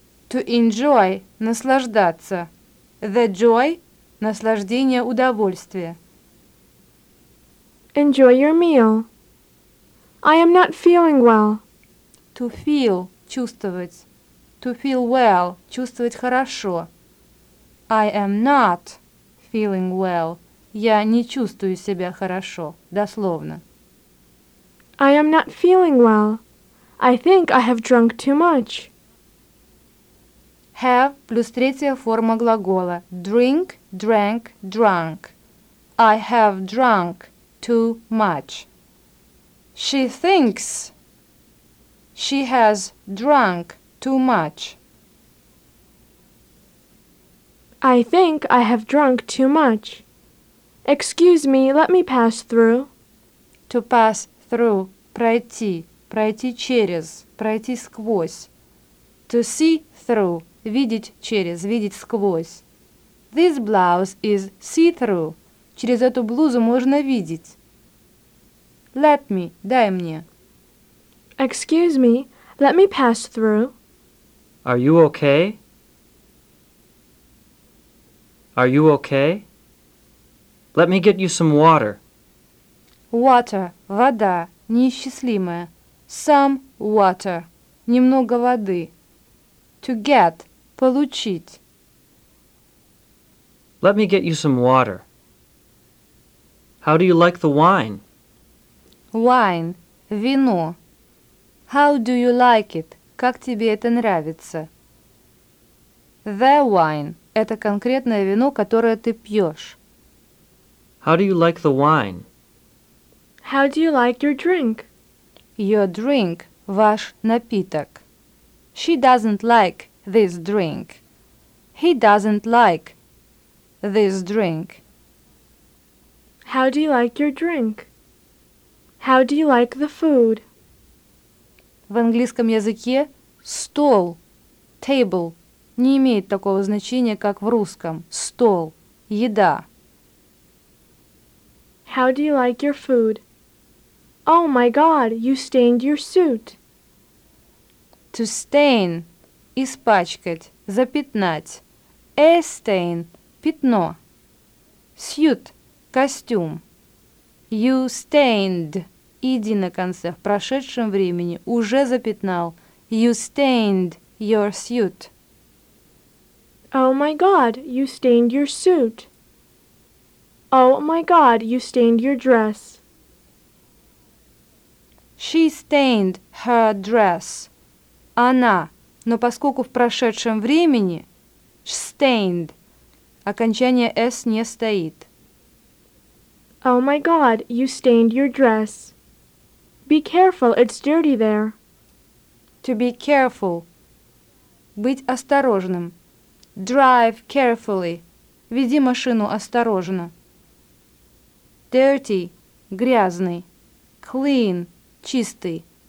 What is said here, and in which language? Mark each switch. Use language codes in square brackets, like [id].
[en] To enjoy, наслаждаться. The joy, наслаждение, удовольствие. Enjoy your meal. I am not feeling well. To feel, чувствовать. To feel well, [ru] чувствовать хорошо. [en] I am not feeling well. [ru] Я не чувствую себя хорошо, дословно. [en] I am not feeling well. I think I have drunk too much. [ru] Have плюс третья форма глагола. [en] Drink, drank, drunk. I have drunk too much. She thinks she has drunk too much. I think I have drunk too much. Excuse me, let me pass through. To pass through, [ru] пройти, пройти через, пройти сквозь. [en] To see through, [ru] видеть через, видеть сквозь. [en] This blouse is see-through. [ru] Через эту блузу можно видеть. [en] Let me, [ru] дай мне. [en] Excuse me, let me pass through. Are you okay? Are you okay? Let me get you some water. [ru] Water, вода, неисчислимая. [en] Some water, [ru] немного воды. [en] To get, получить. Let me get you some water. How do you like the wine? Wine, вино. How do you like it? [ru] Как тебе это нравится? [en] The wine. [ru] Это конкретное вино, которое ты пьешь. [en] How do you like the wine? How do you like your drink? Your drink. [ru] Ваш напиток. [en] She doesn't like this drink. He doesn't like this drink. How do you like your drink? How do you like the food? [ru] В английском языке стол, table, не имеет такого значения, как в русском. Стол, еда. [en] How do you like your food? Oh my God, you stained your suit. [ru] To stain, испачкать, запятнать. [en] A stain, пятно. Suit, костюм. You stained, [ru] иди на конце, в прошедшем времени, уже запятнал. [en] You stained your suit. Oh my God, you stained your suit. Oh my God, you stained your dress. She stained her dress. [ru] Она, но поскольку в прошедшем времени, stained, окончание S не стоит. [en] Oh my God, you stained your dress. Be careful, it's dirty there. To be careful. [ru] Быть осторожным. [en] Drive carefully. [ru] Веди машину осторожно. Dirty. Грязный. Clean. Чистый.